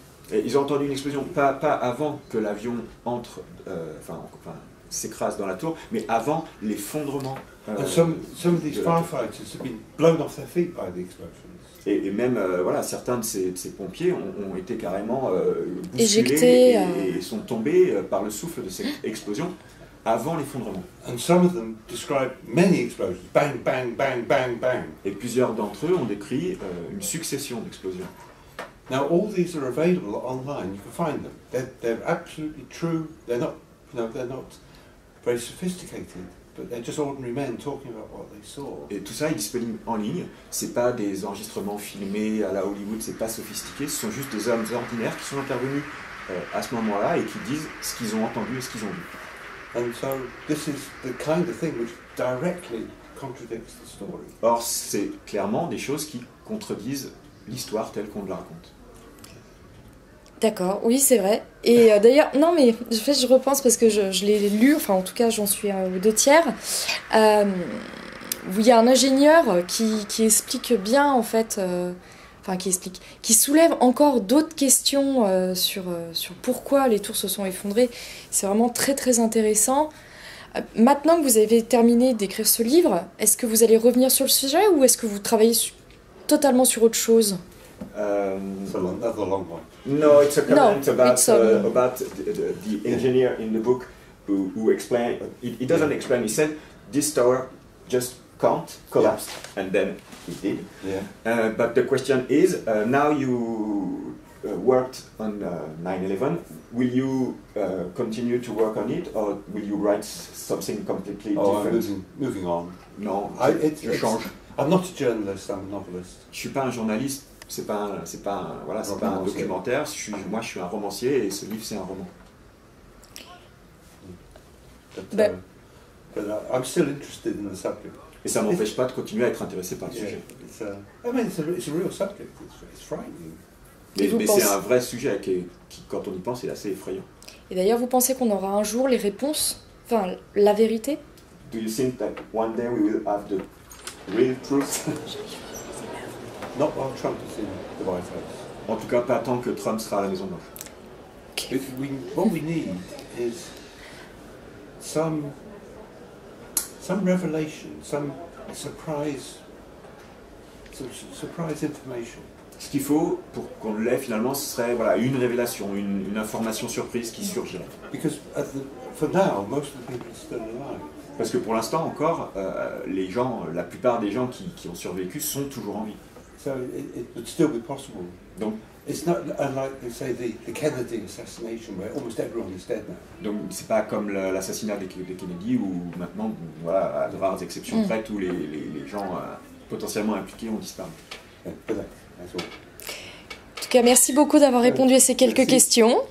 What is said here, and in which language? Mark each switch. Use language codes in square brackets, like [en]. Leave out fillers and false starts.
[fr] Et ils ont entendu une explosion, pas avant que l'avion entre, enfin s'écrase dans la tour, mais avant l'effondrement. [en] Some of these firefighters have been blown off their feet by the explosion. [fr] Et même voilà, certains de ces pompiers ont été carrément éjectés et sont tombés par le souffle de cette explosion avant l'effondrement. [en] And some of them describe many explosions. Bang, bang, bang, bang, bang. [fr] Et plusieurs d'entre eux ont décrit une succession d'explosions. [en] Now all these are available online. You can find them. They're absolutely true. They're not, you know, they're not very sophisticated. They're just ordinary men talking about what they saw. [fr] Et tout ça est disponible en ligne. C'est pas des enregistrements filmés à la Hollywood, c'est pas sophistiqué. Ce sont juste des hommes ordinaires qui sont intervenus à ce moment-là et qui disent ce qu'ils ont entendu et ce qu'ils ont vu. And so this is the kind of thing which directly contradicts the story. Or, c'est clairement des choses qui contredisent l'histoire telle qu'on la raconte. D'accord, oui, c'est vrai. Et d'ailleurs, non, mais en fait, je repense parce que je l'ai lu, enfin, en tout cas, j'en suis aux deux tiers. Il y a un ingénieur qui explique bien, en fait, qui soulève encore d'autres questions sur pourquoi les tours se sont effondrées. C'est vraiment très, très intéressant. Maintenant que vous avez terminé d'écrire ce livre, est-ce que vous allez revenir sur le sujet ou est-ce que vous travaillez totalement sur autre chose? [en] That's a long one. No, it's a comment about the engineer in the book who explained. He doesn't explain. He said this tower just can't collapse, and then it did. Yeah. But the question is: now you worked on 9/11. Will you continue to work on it, or will you write something completely different? Oh, moving on. No, it's change. I'm not a journalist. I'm a novelist. [fr] Je suis pas un journaliste. C'est pas un documentaire. Moi, je suis un romancier et ce livre, c'est un roman. [en] But I'm still interested in the subject. [fr] Et ça m'empêche pas de continuer à être intéressé par le sujet. [en] It's a real subject. It's frightening. [fr] C'est un vrai sujet qui, quand on y pense, est assez effrayant. Et d'ailleurs, vous pensez qu'on aura un jour les réponses, enfin la vérité? [en] Do you think that one day we will have the real truth? Not while Trump is in the White House. [fr] En tout cas, pas tant que Trump sera à la Maison Blanche. [en] Okay. What we need is some revelation, some surprise information. [fr] Ce qu'il faut pour qu'on l'ait finalement, ce serait voilà une révélation, une information surprise qui surgit. [en] Because for now, most of the people are still alive. [fr] Parce que pour l'instant encore, la plupart des gens qui ont survécu sont toujours en vie. [en] So it would still be possible. [fr] Donc, [en] it's not unlike, say, the Kennedy assassination, where almost everyone is dead now. [fr] Donc c'est pas comme l'assassinat de Kennedy où maintenant, voilà, à de rares exceptions près, tous les gens potentiellement impliqués ont disparu. En tout cas, merci beaucoup d'avoir répondu à ces quelques questions.